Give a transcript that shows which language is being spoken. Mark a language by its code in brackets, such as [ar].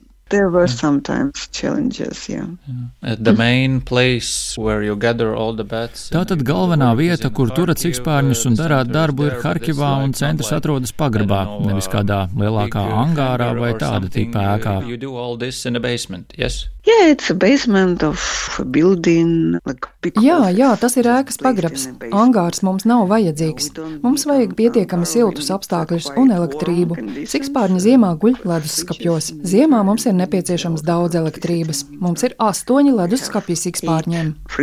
[en] There were sometimes challenges, At the main place where you gather all the bats. [lv] Tātad galvenā vieta, kur turat sikspārņus un darāt darbu, ir Harkivā, un centrs atrodas pagrabā, nevis kādā lielākā angārā vai tāda tipa ēkā. [en] You do all this in a basement, yes? Yeah, it's a basement of a building, like big. [lv] Jā, tas ir ēkas pagrabs. Angārs mums nav vajadzīgs. Mums vajag pietiekami siltus apstākļus un elektrību. Sikspārņi ziemā guļ ledusskapjos. Ziemā mums ir nepieciešams daudz elektrības. Mums ir 8 ledusskapji sikspārņiem.